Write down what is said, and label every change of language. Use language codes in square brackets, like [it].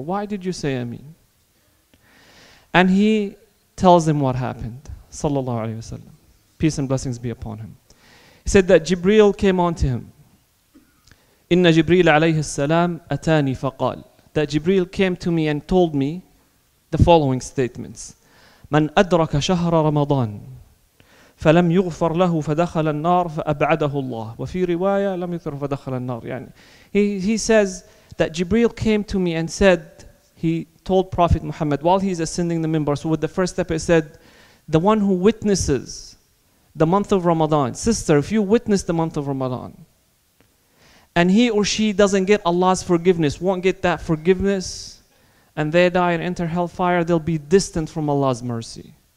[en] Why did you say Ameen?" And he tells them what happened, sallallahu alaihi wasallam, peace and blessings be upon him. He said that Jibreel came on to him. [ar] Inna Jibreel alayhi salam atani faqal. [en] That Jibreel came to me and told me the following statements. [ar] من أدرك شهر رمضان فلم يغفر له فدخل النار فأبعده الله وفي رواية لم يغفر فدخل النار. [en] يعني he says that Jibreel came to me and said, he told Prophet Muhammad while he's ascending the minbar, so with the first step he said, the one who witnesses the month of Ramadan, sister, if you witness the month of Ramadan and he or she doesn't get Allah's forgiveness, won't get that forgiveness, and they die and enter hellfire, they'll be distant from Allah's mercy.